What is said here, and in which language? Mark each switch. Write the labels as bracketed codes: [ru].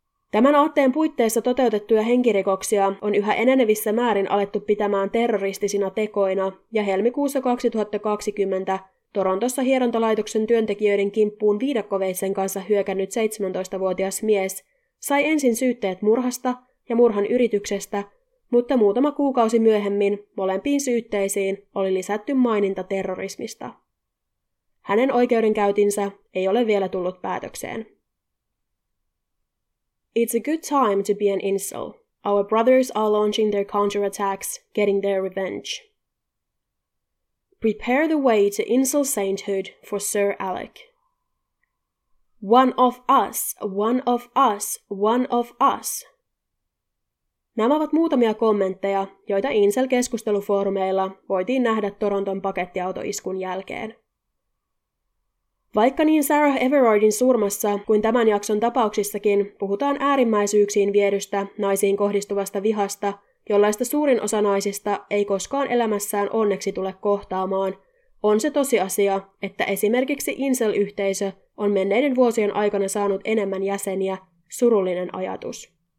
[fi] Tämän aatteen puitteissa toteutettuja henkirikoksia on yhä enenevissä määrin alettu pitämään terroristisina tekoina, ja helmikuussa 2020 Torontossa hierontalaitoksen työntekijöiden kimppuun viidakkoveitsen kanssa hyökännyt 17-vuotias mies sai ensin syytteet murhasta ja murhan yrityksestä, mutta muutama kuukausi myöhemmin molempiin syytteisiin oli lisätty maininta terrorismista. Hänen oikeudenkäytinsä ei ole vielä tullut päätökseen. [en] It's a good time to be an incel. Our brothers are launching their counterattacks, getting their revenge. Prepare the way to incel sainthood for Sir Alec. One of us, one of us, one of us. [fi] Nämä ovat muutamia kommentteja, joita incel-keskustelufoorumeilla voitiin nähdä Toronton pakettiautoiskun jälkeen. Vaikka niin Sarah Everardin surmassa kuin tämän jakson tapauksissakin puhutaan äärimmäisyyksiin viedystä naisiin kohdistuvasta vihasta, jollaista suurin osa naisista ei koskaan elämässään onneksi tule kohtaamaan, on se tosiasia, että esimerkiksi incel-yhteisö on menneiden vuosien aikana saanut enemmän jäseniä, surullinen ajatus.